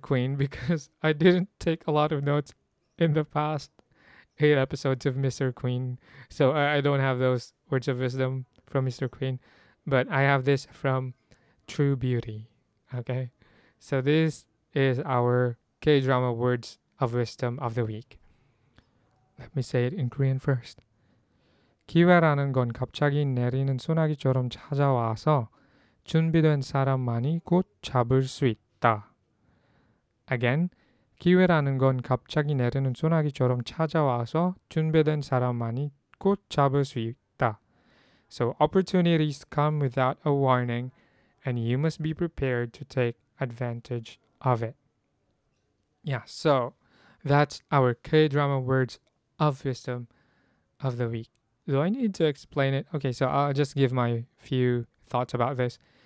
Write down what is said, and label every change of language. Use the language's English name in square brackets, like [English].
[English] Queen, because I didn't take a lot of notes in the past 8 episodes of Mr. Queen. So I don't have those words of wisdom from Mr. Queen. But I have this from True Beauty. Okay? So this is our K-drama words of wisdom of the week. Let me say it in Korean first. [Korean] 기회라는 건 갑자기 내리는 소나기처럼 찾아와서 준비된 사람만이 곧 잡을 수 있다. Again, 기회라는 건 갑자기 내리는 소나기처럼 찾아와서 준비된 사람만이 곧 잡을 수 있다. [English] So opportunities come without a warning, and you must be prepared to take advantage of it. Yeah, so that's our K-drama words of wisdom of the week. Do I need to explain it? Okay, so I'll just give my few thoughts about this.